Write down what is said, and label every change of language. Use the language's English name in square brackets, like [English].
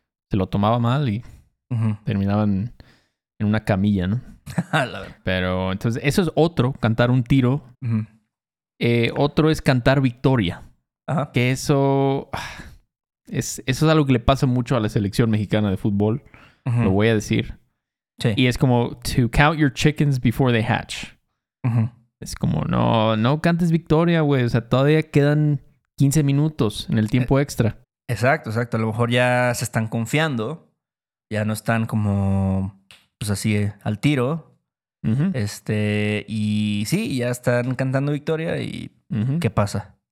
[Spanish] Se lo tomaba mal y, uh-huh, terminaban en una camilla, ¿no? Pero entonces, eso es otro, cantar un tiro. Uh-huh. Otro es cantar victoria. Ajá. Que eso es algo que le pasa mucho a la selección mexicana de fútbol. Uh-huh. Lo voy a decir. Sí. Y es como, [English] to count your chickens before they hatch. [Spanish] Uh-huh. Es como, no cantes victoria, güey. O sea, todavía quedan 15 minutos en el tiempo extra. Exacto, exacto. A lo mejor ya se están confiando. Ya no están como, pues así, al tiro. Uh-huh. Y sí, ya están cantando victoria y, uh-huh, ¿qué pasa?